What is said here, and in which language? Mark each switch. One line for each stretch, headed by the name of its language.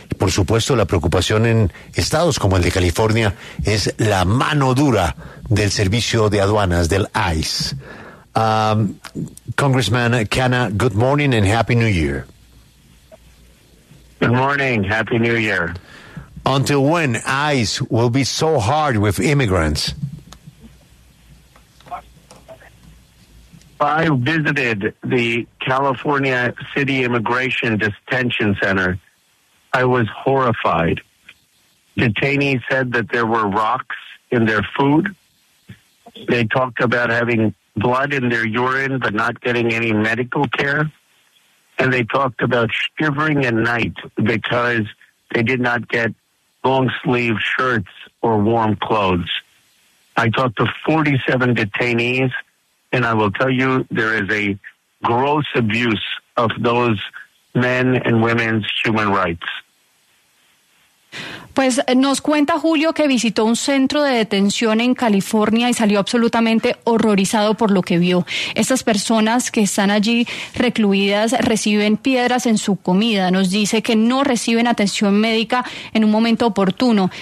Spanish: Por supuesto, la preocupación en estados como el de California es la mano dura del servicio de aduanas, del ICE.
English: Congressman Khanna, good morning and happy new year. Good morning, happy new year. Until when ICE will be so hard with immigrants? I visited the California City Immigration Detention Center. I was horrified. Detainees said that there were rocks in their food. They talked about having blood in their urine but not getting any medical care. And they talked about shivering at night because they did not get long sleeve shirts or warm clothes. I talked to 47 detainees. And I will tell you, there is a gross abuse of those men and women's human rights.
Spanish: Pues nos cuenta Julio que visitó un centro de detención en California y salió absolutamente horrorizado por lo que vio. Estas personas que están allí recluidas reciben piedras en su comida. Nos dice que no reciben atención médica en un momento oportuno.